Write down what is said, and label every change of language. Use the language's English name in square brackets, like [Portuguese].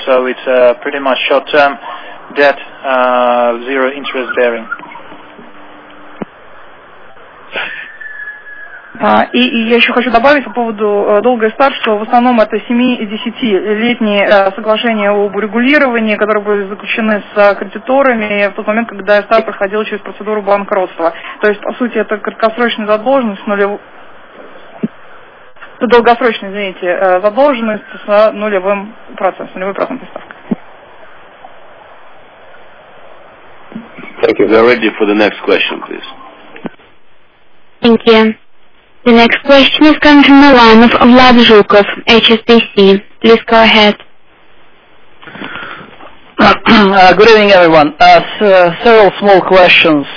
[English] So it's pretty much short-term debt, zero interest bearing. [Russian] И я еще хочу добавить по поводу долга и старт, что в основном это 7- и 10-летние соглашения об урегулировании, которые были заключены с кредиторами в тот момент, когда старт проходил через процедуру банкротства. То есть, по сути, это краткосрочная задолженность, это долгосрочная, извините, задолженность с нулевым процентом, с нулевой процентной ставкой. [English] Thank you. We are ready for the next question, please. Thank you. The next question is coming from the line of Vlad Zhukov, HSBC. Please go ahead. Good evening, everyone. Several small questions.